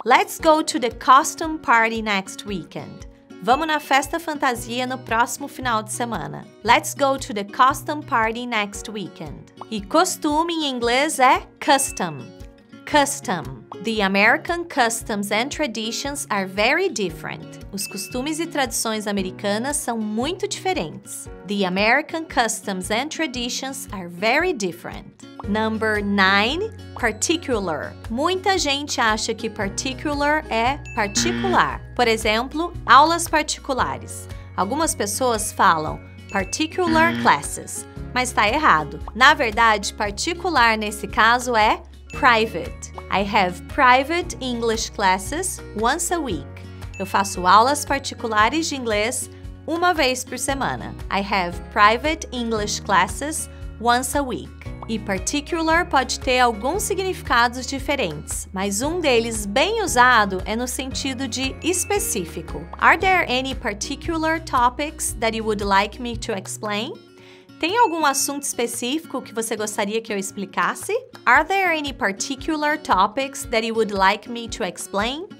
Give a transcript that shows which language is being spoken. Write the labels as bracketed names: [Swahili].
[English] Let's go to the costume party next weekend. [Portuguese] Vamos na festa fantasia no próximo final de semana. [English] Let's go to the costume party next weekend. [Portuguese] E costume em inglês é custom. [English] Custom. The American customs and traditions are very different. [Portuguese] Os costumes e tradições americanas são muito diferentes. [English] The American customs and traditions are very different. Number 9, [Portuguese] particular. Muita gente acha que particular é particular. Por exemplo, aulas particulares. Algumas pessoas falam particular classes, mas está errado. Na verdade, particular nesse caso é private. [English] I have private English classes once a week. [Portuguese] Eu faço aulas particulares de inglês uma vez por semana. [English] I have private English classes once a week. [Portuguese] E particular pode ter alguns significados diferentes, mas um deles bem usado é no sentido de específico. [English] Are there any particular topics that you would like me to explain? [Portuguese] Tem algum assunto específico que você gostaria que eu explicasse? [English] Are there any particular topics that you would like me to explain?